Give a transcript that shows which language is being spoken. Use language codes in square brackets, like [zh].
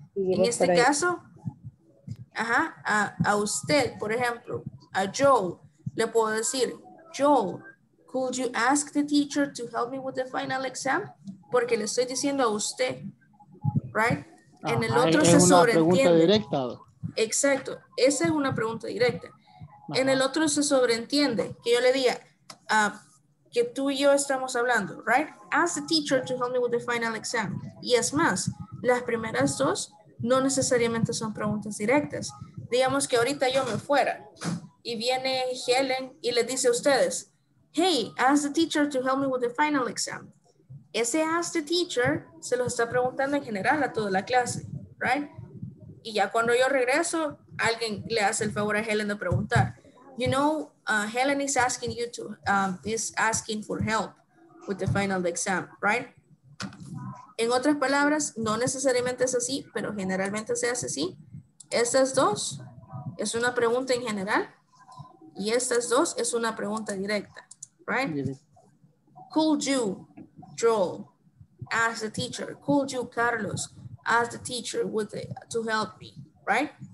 [es] En este caso, ajá, a usted, por ejemplo, a Joe, le puedo decir, Joe, [en] could you ask the teacher to help me with the final exam? [es] Porque le estoy diciendo a usted, [en] right? [es] En el otro se sobreentiende. Es una pregunta directa. Exacto, esa es una pregunta directa. En el otro se sobreentiende que yo le diga, que tú y yo estamos hablando, [en] right? Ask the teacher to help me with the final exam. [es] Y es más, las primeras dos no necesariamente son preguntas directas. Digamos que ahorita yo me fuera y viene Helen y le dice a ustedes, [en] hey, ask the teacher to help me with the final exam. [es] Ese [en] ask the teacher [es] se lo está preguntando en general a toda la clase, [en] right? [es] Y ya cuando yo regreso, alguien le hace el favor a Helen de preguntar. [en] You know, Helen is asking you to, is asking for help with the final exam, right? [es] En otras palabras, no necesariamente es así, pero generalmente se hace así. Estas dos es una pregunta en general y estas dos es una pregunta directa, [en] right? Could you, Joel, ask the teacher, could you, Carlos, ask the teacher with the, to help me, right?